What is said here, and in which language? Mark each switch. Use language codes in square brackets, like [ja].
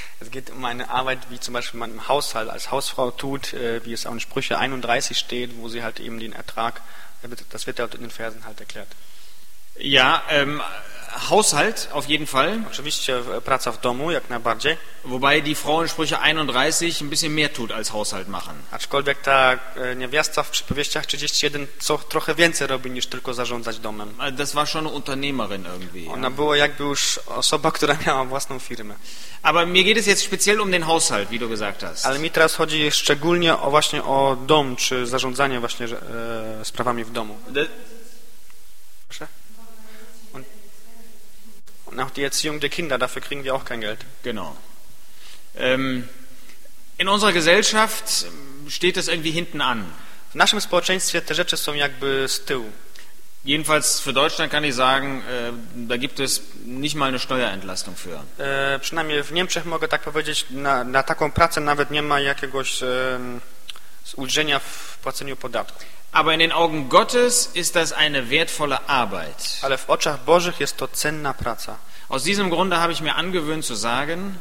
[de] geht um eine Arbeit, wie zum Beispiel man im Haushalt als Hausfrau tut, wie es auch in Sprüche 31 steht, wo sie halt eben den Ertrag, das wird dort in den Versen halt erklärt. Ja, Haushalt auf jeden Fall. [pl] Oczywiście praca w domu, jak najbardziej. [de] Wobei die Frau in Sprüche 31 ein bisschen mehr tut als Haushalt machen. [pl] Aczkolwiek ta niewiasta w Przypowieściach 31 co trochę więcej robi niż tylko zarządzać domem. [de] Das war schon eine Unternehmerin irgendwie. [pl] Ona była jakby już osoba, która miała własną firmę. [de] Aber mir geht es jetzt speziell um den Haushalt, wie du gesagt hast. [pl] Ale mi teraz chodzi szczególnie o właśnie o dom czy zarządzanie właśnie sprawami w domu. Proszę. [de] Auch die Erziehung der Kinder, dafür kriegen wir auch kein Geld. Genau. In unserer Gesellschaft steht das irgendwie hinten an. [pl] W naszym społeczeństwie te rzeczy są jakby z tyłu. [de] Jedenfalls für Deutschland kann ich sagen, da gibt es nicht mal eine Steuerentlastung für. [pl] Przynajmniej w Niemczech mogę tak powiedzieć, na taką pracę nawet nie ma jakiegoś ulżenia w płaceniu podatku. [de] Aber in den Augen Gottes ist das eine wertvolle Arbeit. [pl] Ale w oczach Bożych jest to cenna praca. [de] Aus diesem Grunde habe ich mir angewöhnt zu sagen.